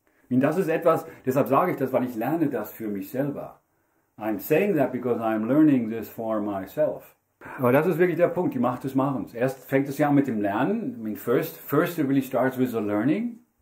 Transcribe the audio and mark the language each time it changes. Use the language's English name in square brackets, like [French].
[German] Und das ist etwas, deshalb sage ich das, weil ich lerne das für mich selber. [English] I'm saying that because I'm learning this for myself. [German] Aber das ist wirklich der Punkt, die Macht des Machens. Erst fängt es ja an mit dem Lernen. [English] I mean, first it really starts with the learning.